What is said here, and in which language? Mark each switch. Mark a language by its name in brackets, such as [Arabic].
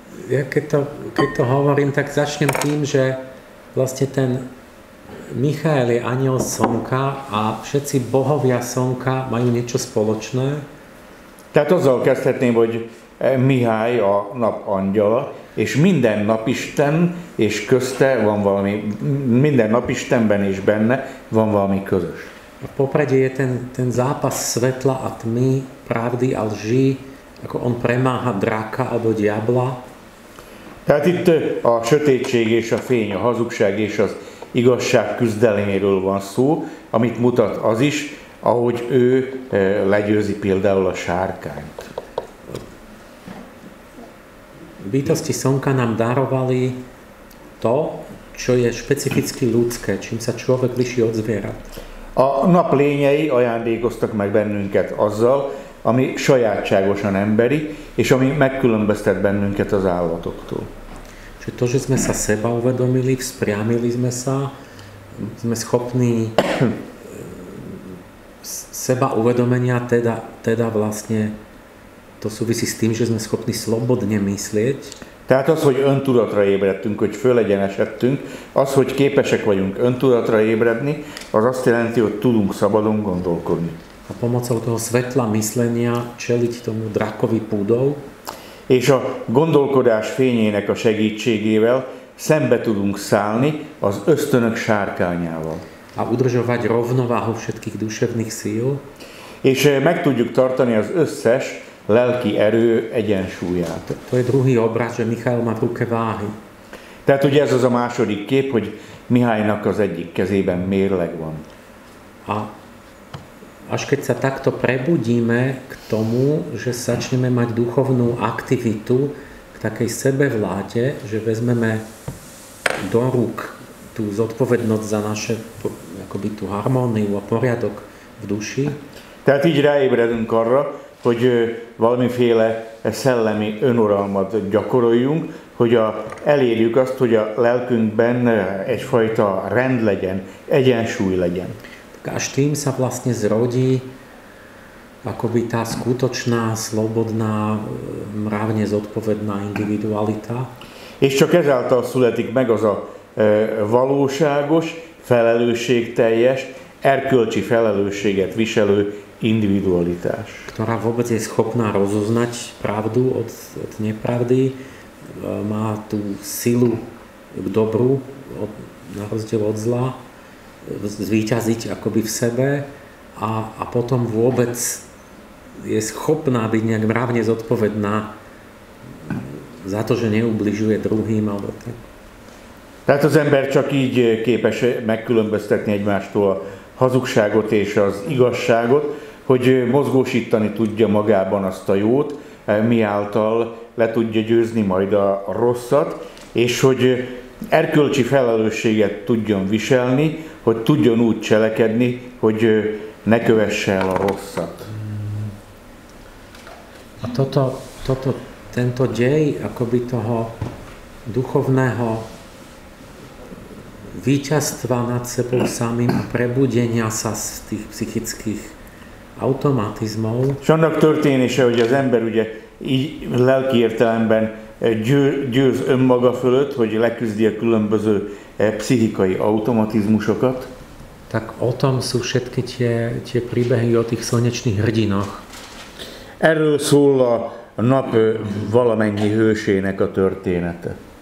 [Slovak] Ja keď to hovorím, tak začnem tým, že vlastne ten Michael je anjel slnka a všetci bohovia slnka majú niečo spoločné. [Hungarian] Tehát azzal kezdhetném, hogy Mihály a nap angyala, és minden napisten és közte van valami, minden napistenben és benne van valami közös. [Slovak] A popredie je ten zápas svetla a tmy, pravdy a lži, ako on premáha draka alebo diabla. [Hungarian] Tehát itt a sötétség és a fény, a hazugság és az igazság küzdelméről van szó, amit mutat az is, ahogy ő legyőzi például a sárkányt. [Slovak] Bytosti slnka nám darovali to, čo je špecificky ľudské, čím sa človek liší od zvierat. [Hungarian] A nap lényei ajándékoztak meg bennünket azzal, ami sajátságosan emberi, és ami megkülönböztet bennünket az állatoktól. [Slovak] Čiže to, že sme sa seba uvedomili, vzpriamili sme sa, sme schopní seba uvedomenia, teda vlastne to súvisí s tým, že sme schopní slobodne myslieť. [Hungarian] Tehát az, hogy öntudatra ébredtünk, hogy fölegyenesedtünk, az, hogy képesek vagyunk öntudatra ébredni, az azt jelenti, hogy tudunk szabadon gondolkodni. [Slovak] A pomocou toho svetla myslenia čeliť tomu drakovi púdov. [Hungarian] És a gondolkodás fényének a segítségével szembe tudunk szállni az ösztönök sárkányával. [Slovak] A udržovať rovnováhu všetkých duševných síl. [Hungarian] És meg tudjuk tartani az összes lelki erő egyensúlyát. [Slovak] To je druhý obraz, že Michail má v ruke váhy. [Hungarian] Tehát ugye ez az a második kép, hogy Mihálynak az egyik kezében mérleg van. [Slovak] A až keď sa takto prebudíme k tomu, že začneme mať duchovnú aktivitu k takej sebevláde, že vezmeme do rúk tú zodpovednosť za naše, akoby tú harmóniu a poriadok v duši. [Hungarian] Tehát így ráébredünk arra, hogy valamiféle szellemi önuralmat gyakoroljunk, hogy elérjük azt, hogy a lelkünkben egyfajta rend legyen, egyensúly legyen. [Slovak] Tak až tým sa vlastne zrodí akoby tá skutočná, slobodná, mravne zodpovedná individualita. [Hungarian] És csak ezáltal születik meg az a valóságos, felelősségteljes, erkölcsi felelősséget viselő individualitás. [Slovak] Ktorá vôbec je schopná rozoznať pravdu od nepravdy, má tú silu k dobru, na rozdiel od zla, zvíťaziť akoby v sebe a potom vôbec je schopná byť nejak mravne zodpovedná za to, že neubližuje druhým. Alebo tak. [Hungarian] Tehát az ember csak így képes megkülönböztetni egymástól a hazugságot és az igazságot, hogy mozgósítani tudja magában azt a jót, miáltal le tudja győzni majd a rosszat, és hogy erkölcsi felelősséget tudjon viselni, hogy tudjon úgy cselekedni, hogy ne kövesse el a rosszat. [Slovak] A tento dej akoby toho duchovného víťazstva nad sebou samým a prebudenia sa z tých psychických automatizmov. [Hungarian] És annak történése, hogy az ember ugye így lelki értelemben győz önmaga fölött, hogy leküzdi a különböző pszichikai automatizmusokat. [Slovak] Tak o tom sú všetky tie príbehy o tých slnečných hrdinoch. [Hungarian] Erről szól a nap valamennyi hősének a története.